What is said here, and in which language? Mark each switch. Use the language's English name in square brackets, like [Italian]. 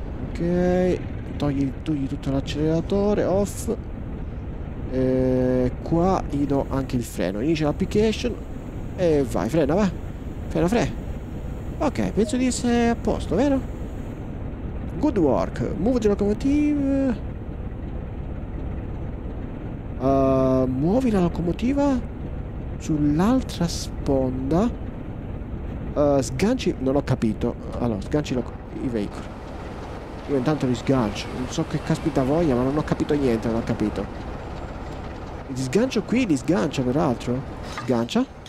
[Italian] Ok, togli tutto l'acceleratore, off. E qua gli do anche il freno, inizia l'application e vai, frena, va. Frena, frena. Ok, penso di essere a posto, vero? [English] Good work, move the locomotive. [Italian] Muovi la locomotiva sull'altra sponda. Sganci, non ho capito. Allora, sganci i veicoli. Io intanto li sgancio. Non so che caspita voglia, ma non ho capito niente. Non ho capito. Li sgancio qui, li sgancio peraltro. Sgancia.